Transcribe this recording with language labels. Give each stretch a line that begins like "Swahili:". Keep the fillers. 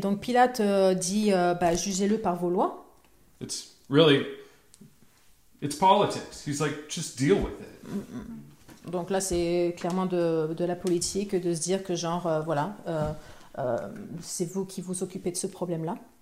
French: donc Pilate euh, dit, bah, jugez-le par vos lois.
English: It's really, it's He's like, Just deal with it.
French: Donc là, c'est clairement de, de, la politique de se dire que genre, voilà... Um, c'est vous qui vous occupez de ce problème-là.